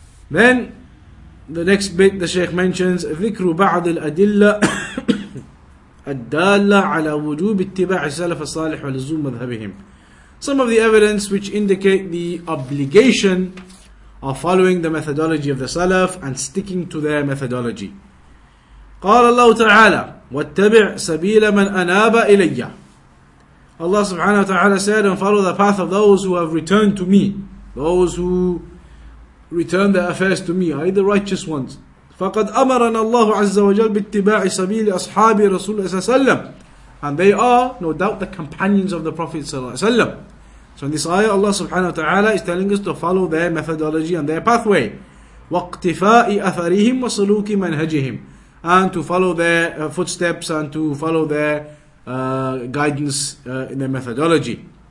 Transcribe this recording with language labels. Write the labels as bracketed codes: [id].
[en] Then, the next bit the Shaykh mentions, [ar] ذِكْرُ بَعْضِ الْأَدِلَّةِ الدَّالَّ عَلَى وُجُوبِ اتِّبَاعِ السَّلَفَ الصَّالِحِ وَلُزُومِ مَذْهَبِهِمْ. [en] Some of the evidence which indicate the obligation of following the methodology of the Salaf and sticking to their methodology. [ar] قال الله تعالى واتبع سبيل من أناب إلي. [en] Allah subhanahu wa ta'ala said, and follow the path of those who have returned to me, those who return their affairs to me, are the righteous ones. [ar] فقد أمرنا الله عز وجل باتباع سبيل أصحاب رسول الله صلى الله عليه وسلم. [en] And they are, no doubt, the companions of the Prophet ﷺ. So in this ayah, Allah subhanahu wa ta'ala is telling us to follow their methodology and their pathway. [ar] وَاقْتِفَاءِ أَثَرِهِمْ وَصُلُوكِ مَنْهَجِهِمْ. [en] And to follow their footsteps and to follow their guidance in their methodology.